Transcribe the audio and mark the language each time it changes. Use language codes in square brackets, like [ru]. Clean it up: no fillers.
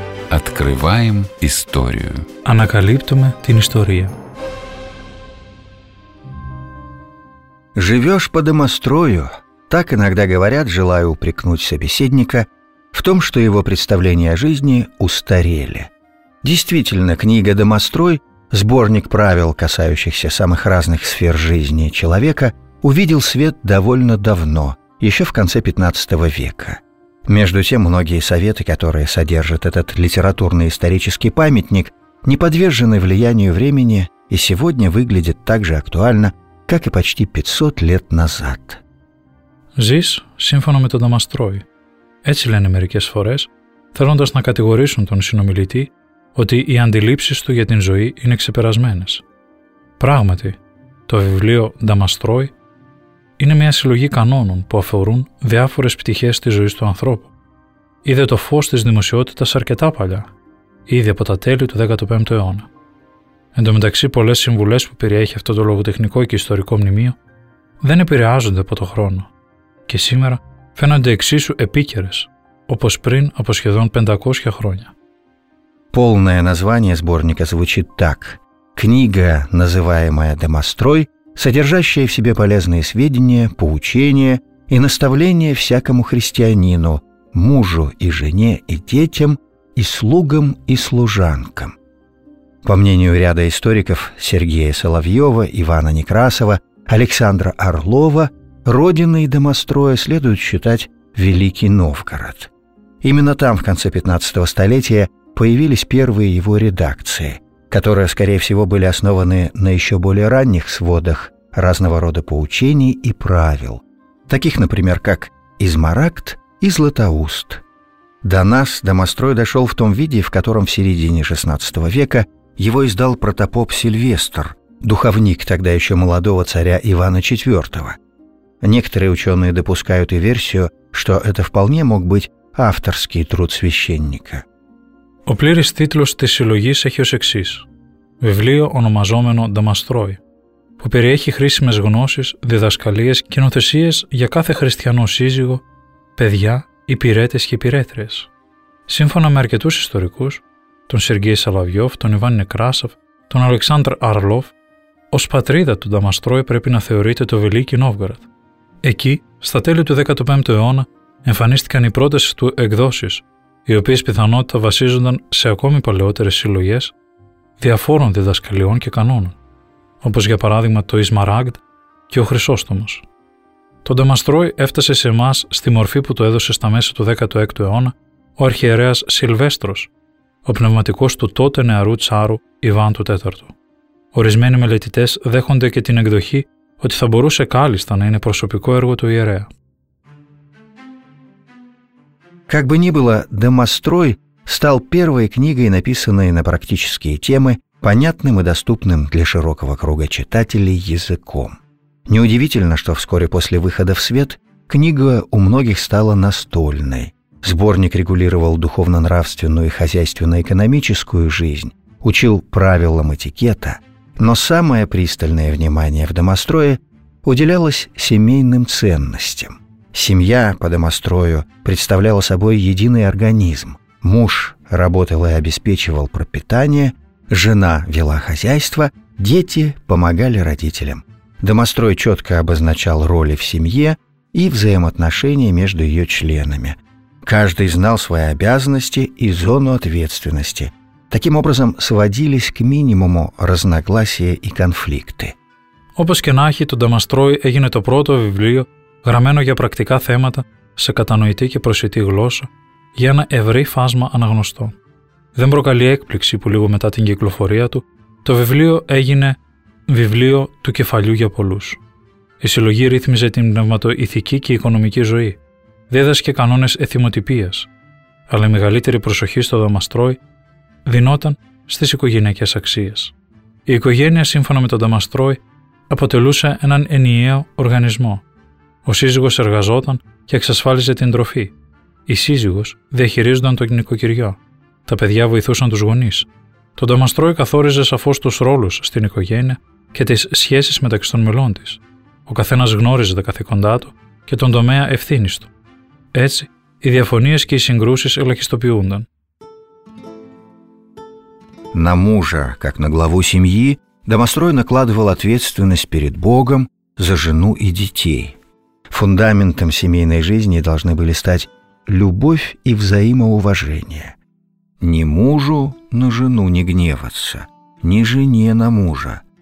[ru] Открываем историю. [el] Ανακαλύπτουμε την ιστορία. [ru] «Живешь по домострою» — так иногда говорят, желая упрекнуть собеседника в том, что его представления о жизни устарели. Действительно, книга «Домострой», сборник правил, касающихся самых разных сфер жизни человека, увидел свет довольно давно, еще в конце XV века. Между тем, многие советы, которые содержит этот литературно-исторический памятник, не подвержены влиянию времени и сегодня выглядят так же актуально, как и почти 500 лет назад. Жизнь, [el] сύμφωνα με τον Домострой, έτσι λένε μερικές φορές, θέλοντας να κατηγορήσουν τον συνομιλητή ότι οι αντιλήψεις του για την ζωή είναι ξεπερασμένες. Πράγματι, το βιβλίο «Νταμαστρόι» είναι μια συλλογή κανόνων που αφορούν διάφορες πτυχές της ζωής του ανθρώπου. Είδε το φως της δημοσιότητας αρκετά παλιά, ήδη από τα τέλη του 15ου αιώνα. Εν τω μεταξύ, πολλές συμβουλές που περιέχει αυτό το λογοτεχνικό και ιστορικό μνημείο δεν επηρεάζονται από το χρόνο και σήμερα φαίνονται εξίσου επίκαιρες, όπως πριν από σχεδόν 500 χρόνια. [ru] Полное название сборника звучит так. Книга, называемая «Домострой», содержащая в себе полезные сведения, поучения и наставления всякому христианину, мужу и жене и детям, и слугам и служанкам. По мнению ряда историков Сергея Соловьева, Ивана Некрасова, Александра Орлова, родиной «Домостроя» следует считать Великий Новгород. Именно там, в конце 15-го столетия, появились первые его редакции, которые, скорее всего, были основаны на еще более ранних сводах разного рода поучений и правил, таких, например, как «Измарагд» и «Златоуст». До нас «Домострой» дошел в том виде, в котором в середине XVI века его издал протопоп Сильвестр, духовник тогда еще молодого царя Ивана IV. Некоторые ученые допускают и версию, что это вполне мог быть авторский труд священника. [el] Ο πλήρης τίτλος της συλλογής έχει ως εξής. Βιβλίο ονομαζόμενο «Νταμαστρόι», που περιέχει χρήσιμες γνώσεις, διδασκαλίες και νοθεσίες για κάθε χριστιανό σύζυγο, παιδιά, υπηρέτες και υπηρέτριες. Σύμφωνα με αρκετούς ιστορικούς, τον Σεργέη Σαλαβιόφ, τον Ιβάν Νεκράσοφ, τον Αλεξάνδρ Αρλόφ, ως πατρίδα του «Νταμαστρόι» πρέπει να θεωρείται το Βελίκι Νόβγαρδ. Εκεί, στα τέλη του 15ου αιώνα, εμφανίστηκαν οι πρώτες του εκδόσεις, οι οποίες πιθανότητα βασίζονταν σε ακόμη παλαιότερες συλλογές διαφόρων διδασκαλιών και κανόνων, όπως για παράδειγμα το «Ισμαράγκτ» και ο «Χρυσόστομος». Το «Νταμαστρόι» έφτασε σε εμάς στη μορφή που το έδωσε στα μέσα του 16ου αιώνα ο αρχιερέας Σιλβέστρος, ο πνευματικός του τότε νεαρού τσάρου Ιβάν του IV. Ορισμένοι μελετητές δέχονται και την εκδοχή ότι θα μπορούσε κάλλιστα να είναι προσωπικό έργο του ιερέα. [ru] Как бы ни было, «Домострой» стал первой книгой, написанной на практические темы, понятным и доступным для широкого круга читателей языком. Неудивительно, что вскоре после выхода в свет книга у многих стала настольной. Сборник регулировал духовно-нравственную и хозяйственно-экономическую жизнь, учил правилам этикета, но самое пристальное внимание в «Домострое» уделялось семейным ценностям. Семья по домострою представляла собой единый организм. Муж работал и обеспечивал пропитание, жена вела хозяйство, дети помогали родителям. Домострой четко обозначал роли в семье и взаимоотношения между ее членами. Каждый знал свои обязанности и зону ответственности. Таким образом, сводились к минимуму разногласия и конфликты. [el] Όπως και να έχει, το «Домострой» έγινε το πρώτο βιβλίο γραμμένο για πρακτικά θέματα σε κατανοητή και προσιτή γλώσσα για ένα ευρύ φάσμα αναγνωστών. Δεν προκαλεί έκπληξη που λίγο μετά την κυκλοφορία του, το βιβλίο έγινε βιβλίο του κεφαλιού για πολλούς. Η συλλογή ρύθμιζε την πνευματοειθική και οικονομική ζωή, δίδασκε κανόνες εθιμοτυπίας, αλλά η μεγαλύτερη προσοχή στο «Домострой» δινόταν στις οικογενειακές αξίες. Η οικογένεια, σύμφωνα με τον «Домострой», αποτελούσε έναν ενιαίο οργανισμό. Ο σύζυγος εργαζόταν και εξασφάλιζε την τροφή. Η σύζυγος διαχειρίζονταν το νοικοκυριό. Τα παιδιά βοηθούσαν τους γονείς. Το «Домострой» καθόριζε σαφώς τους ρόλους στην οικογένεια και τις σχέσεις μεταξύ των μελών της. Ο καθένας γνώριζε τα καθήκοντά του και τον τομέα ευθύνης του. Έτσι, οι διαφωνίες και οι συγκρούσεις ελαχιστοποιούνταν. [ru] На мужа, как на главу семьи, Домострой накладывал ответственность перед Богом за жену и детей. Фундаментом семейной жизни должны были стать любовь и взаимоуважение. Ни мужу на жену не гневаться, ни жене на мужа.